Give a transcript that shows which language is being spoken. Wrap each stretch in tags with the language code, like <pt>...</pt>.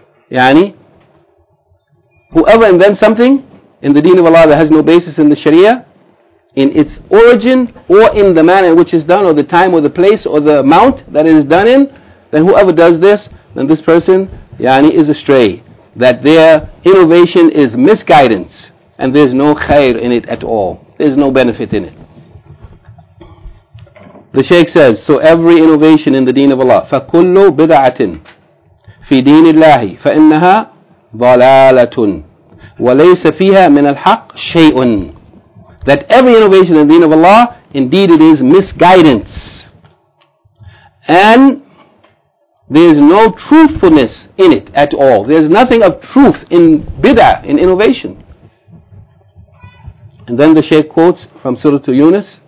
<en>Yani, whoever invents something in the deen of Allah that has no basis in the sharia, in its origin or in the manner in which it's done, or the time or the place or the amount that it is done in, then whoever does this, then this person, yani, is astray. That their innovation is misguidance. And there's no khair in it at all. there's no benefit in it.</en> <ar>The Shaykh says, so every innovation in the deen of Allah, فَكُلُّ بِدَعَةٍ فِي دِينِ اللَّهِ فَإِنَّهَا ضَلَالَةٌ وَلَيْسَ فِيهَا مِنَ الْحَقِّ شَيْءٌ.</ar> <en>That every innovation in the deen of Allah, indeed it is misguidance. And there is no truthfulness in it at all. There is nothing of truth in bid'ah, in innovation. And then the Shaykh quotes from Surah to Yunus.</en>